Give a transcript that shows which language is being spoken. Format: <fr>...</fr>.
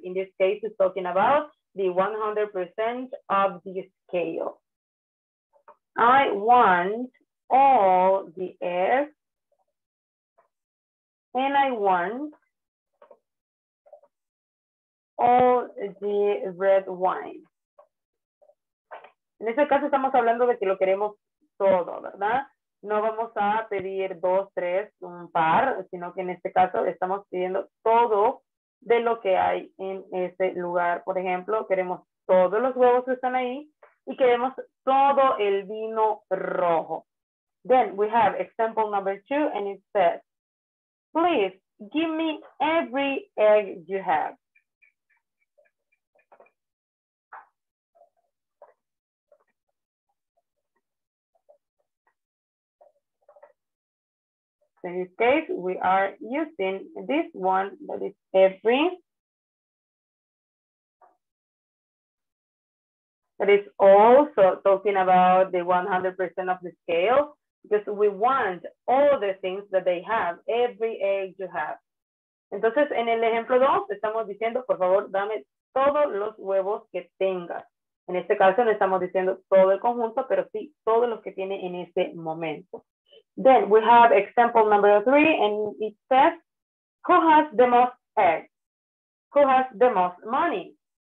<en>In this case, it's talking about the 100% of the scale. I want all the eggs and I want all the red wine.</en> <es>En este caso estamos hablando de que lo queremos todo, ¿verdad? No vamos a pedir dos, tres, un par, sino que en este caso estamos pidiendo todo de lo que hay en ese lugar. Por ejemplo, queremos todos los huevos que están ahí y queremos todo el vino rojo.</es> <en>Then we have example number two and it says, please give me every egg you have. In this case, we are using this one, that is every, that is also talking about the 100% of the scale, because we want all the things that they have, every egg you have.</en> <es>Entonces, en el ejemplo 2, estamos diciendo, por favor, dame todos los huevos que tengas. En este caso, no estamos diciendo todo el conjunto, pero sí todos los que tiene en ese momento.</es> <en>Then we have example number three, and it says, who has the most eggs? Who has the most money?</en>